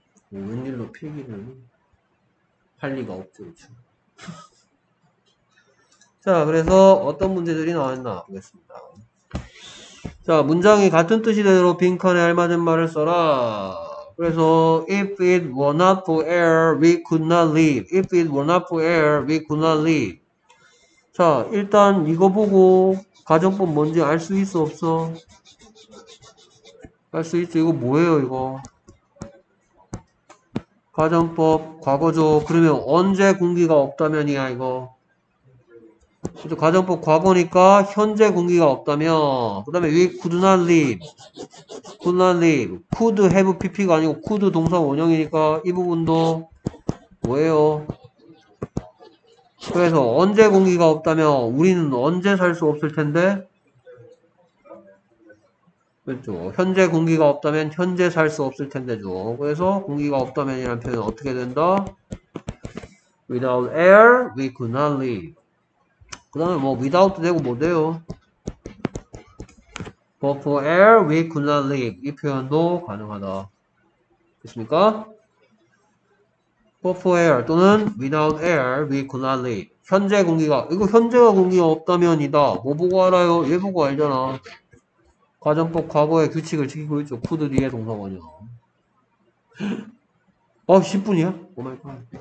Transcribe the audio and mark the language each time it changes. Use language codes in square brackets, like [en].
[ko] 웬일로 필기를 할 리가 없죠, 요즘. 자, 그래서 어떤 문제들이 나왔나 보겠습니다. 자, 문장이 같은 뜻이 되도록 빈칸에 알맞은 말을 써라. 그래서 [en] if it were not for air, we could not live. If it were not for air, we could not live. [ko] 자, 일단 이거 보고 가정법 뭔지 알수 있어 없어? 알수 있어? 이거 뭐예요, 이거? 가정법 과거죠. 그러면 언제 공기가 없다면이야, 이거. 가정법 과거니까 현재 공기가 없다면. 그다음에 [en] we could not live. could not live. [ko] could have PP가 아니고 could 동사 원형이니까 이 부분도 뭐예요? 그래서 언제 공기가 없다면 우리는 언제 살수 없을 텐데? 그렇죠. 현재 공기가 없다면 현재 살수 없을 텐데죠. 그래서 공기가 없다면이란 표현은 어떻게 된다? [en] Without air, we could not live. [ko] 그 다음에 뭐 without 되고 뭐 돼요? [en] But for air, we could not live. [ko] 이 표현도 가능하다. 됐습니까? [en] But for air [ko] 또는 [en] without air, we could not live. [ko] 현재 공기가, 이거 현재가 공기가 없다면이다. 뭐 보고 알아요? 얘 보고 알잖아. 가정법 과거의 규칙을 지키고 있죠. 쿠드 뒤에 동사원이요. 10분이야? 오 마이 갓.